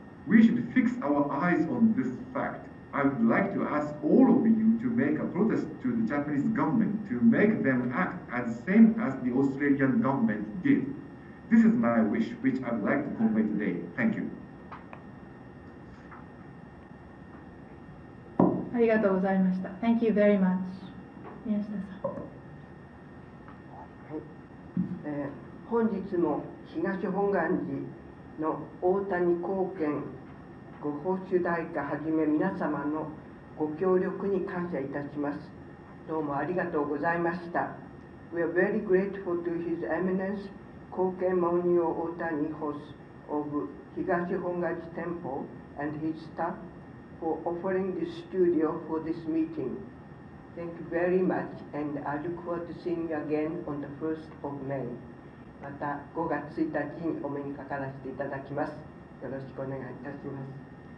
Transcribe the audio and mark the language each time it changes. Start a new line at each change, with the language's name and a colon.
English: We should fix our eyes on this fact. I would like to ask all of you to make a protest to the Japanese government to make them act as same as the Australian government did. This is my wish, which I would like to convey today. Thank you.
Japanese: ありがとうございました。
English: Thank you very much. 宮下さん。
Japanese: 本日も東本願寺の大谷貢献ご奉仕大家はじめ皆様のご協力に感謝いたします。どうもありがとうございました。
English: We are very grateful to His Eminence 貢献文雄大谷法師 of 東本願寺 Temple and his staff for offering this studio for this meeting. Thank you very much and I look forward to seeing you again on the 1st of May.
Japanese: また5月1日にお目にかからせていただきます。よろしくお願いいたします。